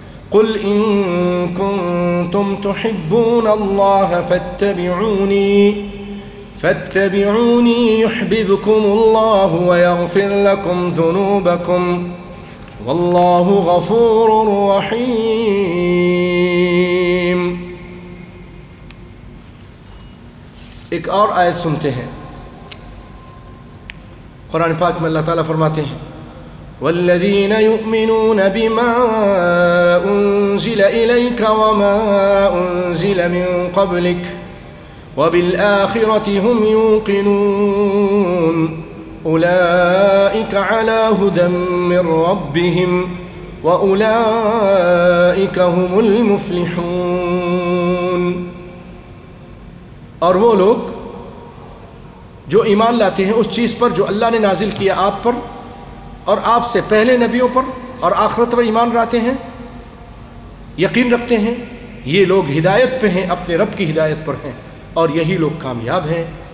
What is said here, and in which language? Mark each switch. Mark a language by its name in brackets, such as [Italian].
[Arabic] قل ان کنتم تحبون اللہ فاتبعونی یحببکم اللہ ویغفر لکم ذنوبکم واللہ غفور رحیم. [Urdu] ایک اور آیت سنتے ہیں قرآن پاک میں, اللہ تعالیٰ فرماتے ہیں [Arabic] والذین یؤمنون بما انزل الیک وما انزل من قبلک وبالآخرة هم یوقنون أولئك على هدى من ربهم وأولئك هم المفلحون. [Urdu] اور وہ لوگ جو ایمان لاتے ہیں اس چیز پر جو اللہ نے نازل کیا آپ پر اور آپ سے پہلے نبیوں پر اور آخرت پر ایمان لاتے ہیں، یقین رکھتے ہیں، یہ لوگ ہدایت پہ ہیں، اپنے رب کی ہدایت پر ہیں، اور یہی لوگ کامیاب ہیں.